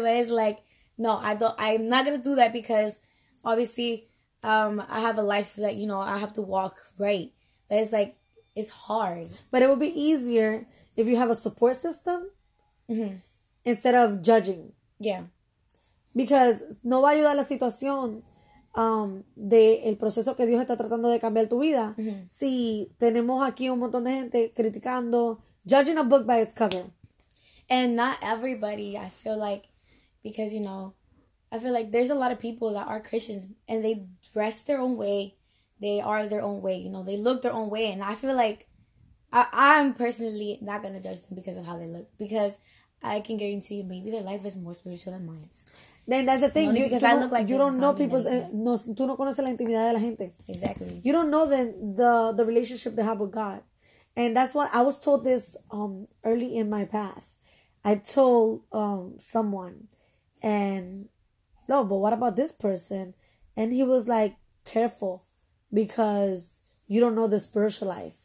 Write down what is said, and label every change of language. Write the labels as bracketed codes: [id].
[en] But it's like, no, I'm not going to do that because obviously I have a life that, you know, I have to walk right. But it's like, it's hard. But it would be easier if you have a support system instead of judging. Yeah. [es] Because no va a ayudar la situación. De el proceso que Dios está tratando de cambiar tu vida. Mm-hmm. Si tenemos aquí un montón de gente criticando, [en] judging a book by its cover. And not everybody, I feel like, because, you know, I feel like there's a lot of people that are Christians and they dress their own way. They are their own way. You know, they look their own way. And I feel like I'm personally not going to judge them because of how they look. Because I can guarantee you, maybe their life is more spiritual than mine. Then that's the thing. You, because you I look like you don't know people's. [es] No, tú no conoces la intimidad de la gente. [en] Exactly. You don't know the relationship they have with God, and that's why I was told this early in my path. I told someone, and no, but what about this person? And he was like, "Careful, because you don't know the spiritual life."